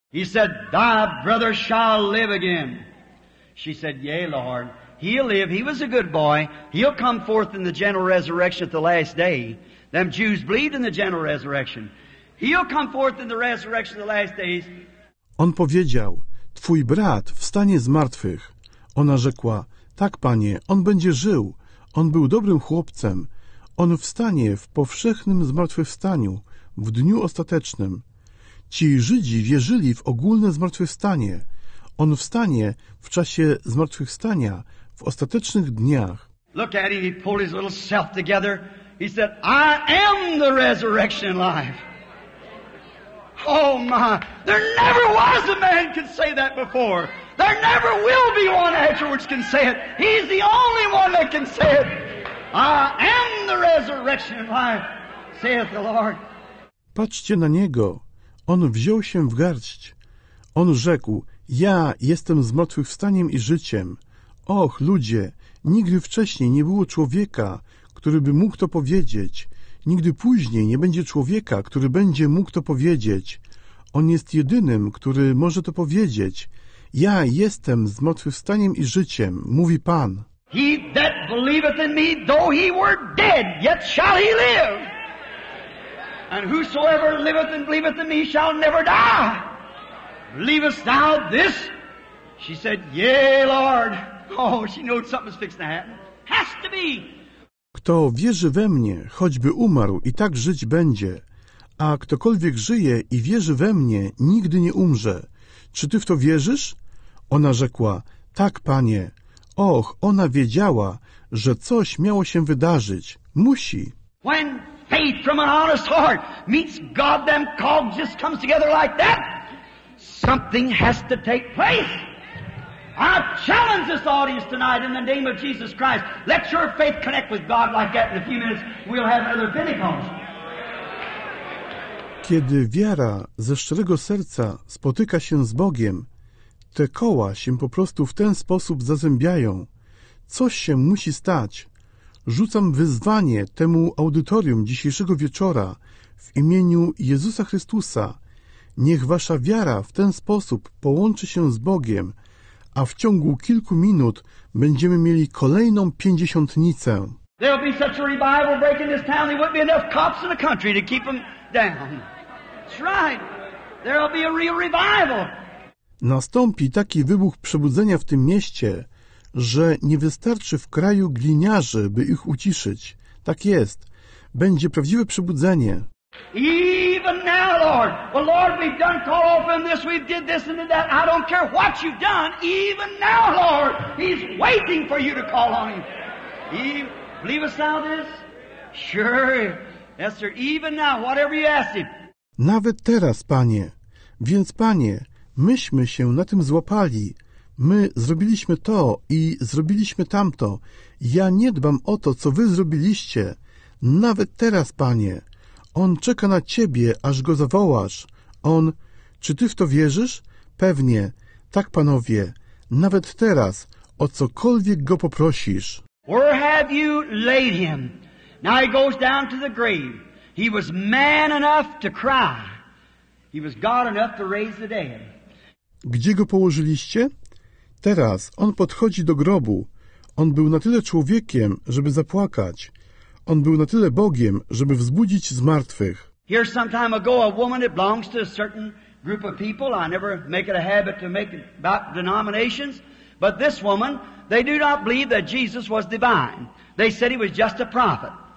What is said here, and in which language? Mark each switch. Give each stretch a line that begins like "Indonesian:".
English: He said, thy brother shall live again. She said, yea, Lord. He'll live. He was a good boy. He'll come forth in the general resurrection at the last day. Them Jews believed in the general resurrection. He'll come forth in the resurrection of the last days.
Polish: On powiedział, Twój brat wstanie z martwych. Ona rzekła, tak, Panie, on będzie żył. On był dobrym chłopcem. On wstanie w powszechnym zmartwychwstaniu, w dniu ostatecznym. Ci Żydzi wierzyli w ogólne zmartwychwstanie. On wstanie w czasie zmartwychwstania, w ostatecznych dniach.
English: Look at him, he pulled his little self together. He said, I am the resurrection life. Oh my, there never was a man could say that before. There never will be one afterwards can say it. He's the only one that can say it. I am the resurrection life, saith the Lord.
Polish: Patrzcie na niego. On wziął się w garść. On rzekł, ja jestem zmartwychwstaniem i życiem. Och, ludzie, nigdy wcześniej nie było człowieka, który by mógł to powiedzieć. Nigdy później nie będzie człowieka, który będzie mógł to powiedzieć. On jest jedynym, który może to powiedzieć. Ja jestem zmartwychwstaniem i życiem, mówi Pan.
English: He that believeth in me, though he were dead, yet shall he live. And whosoever liveth and believeth in me shall never die. Believest thou this? She said, yea, Lord. Oh, she knew something's fixed to happen. Has to be.
Polish: Kto wierzy we mnie, choćby umarł, i tak żyć będzie. A ktokolwiek żyje i wierzy we mnie, nigdy nie umrze. Czy ty w to wierzysz? Ona rzekła, tak, Panie. Och, ona wiedziała, że coś miało się wydarzyć. Musi.
English: When faith from an honest heart meets God, them cogs just comes together like that. Something has to take place. I challenge this audience tonight in the name of Jesus Christ. Let your faith connect with God like that. In a few minutes we'll have another Pentecost.
Polish: Kiedy wiara ze szczerego serca spotyka się z Bogiem, te koła się po prostu w ten sposób zazębiają. Coś się musi stać. Rzucam wyzwanie temu audytorium dzisiejszego wieczora w imieniu Jezusa Chrystusa. Niech wasza wiara w ten sposób połączy się z Bogiem, a w ciągu kilku minut będziemy mieli kolejną pięćdziesiątnicę.
English: There'll be such a revival break in this town, there wouldn't be enough cops in the country to keep them down. That's right. There'll be a real revival.
Polish: Nastąpi taki wybuch przebudzenia w tym mieście, że nie wystarczy w kraju gliniarzy, by ich uciszyć. Tak jest. Będzie prawdziwe przebudzenie.
English: Even now, Lord. Well, Lord, we've done call open this, we've did this and did that. I don't care what you've done. Even now, Lord, he's waiting for you to call on him. Eve, believest thou this? Sure. Yes, sir. Even now, whatever you ask him.
Polish: Nawet teraz, Panie. Więc, Panie, myśmy się na tym złapali. My zrobiliśmy to i zrobiliśmy tamto. Ja nie dbam o to, co wy zrobiliście. Nawet teraz, Panie. On czeka na ciebie, aż go zawołasz. On, czy ty w to wierzysz? Pewnie. Tak, Panowie. Nawet teraz, o cokolwiek go poprosisz.
English: Where have you laid him? Now he goes down to the grave. He was man enough to cry. He was God enough to raise the dead.
Polish: Gdzie go położyliście? Teraz on podchodzi do grobu. On był na tyle człowiekiem, żeby zapłakać. On był na tyle Bogiem, żeby wzbudzić zmartwych.
English: Here some time ago a woman that belongs to a certain group of people. I never make it a habit to make it about denominations. But this woman, they do not believe that Jesus was divine. They said he was just a prophet.